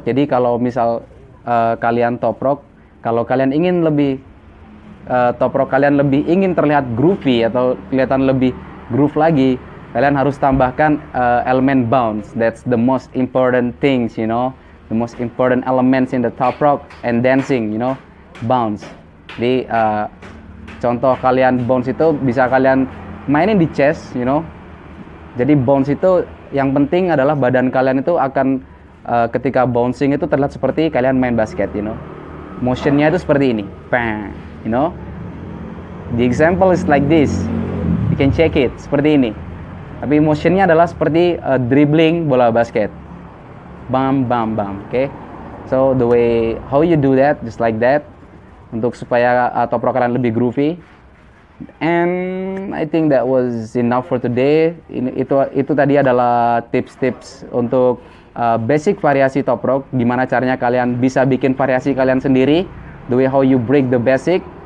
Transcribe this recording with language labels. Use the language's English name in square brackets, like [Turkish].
[Indonesian] Jadi kalau misal kalian Toprock, kalau kalian ingin lebih Toprock kalian lebih ingin terlihat groovy atau kelihatan lebih groove lagi, kalian harus tambahkan elemen bounce. [English] That's the most important things, you know, the most important elements in the Toprock and dancing, you know, bounce. [Indonesian] Jadi contoh kalian bounce itu bisa kalian mainin di chest, [English] you know. [Indonesian] Jadi bounce itu yang penting adalah badan kalian itu akan ketika bouncing itu terlihat seperti kalian main basket, [English] you know. [Indonesian] Motionnya itu seperti ini, bang, [English] you know. The example is like this. You can check it [Indonesian] seperti ini. Tapi motionnya adalah seperti dribbling bola basket. Bam, bam, bam. Oke. Okay? [English] So the way how you do that, just like that, [Indonesian] untuk supaya toprokeran lebih groovy. [English] And I think that was enough for today. [Indonesian] Itu tadi adalah tips-tips untuk basic variasi toprok. Gimana caranya kalian bisa bikin variasi kalian sendiri? [English] The way how you break the basic.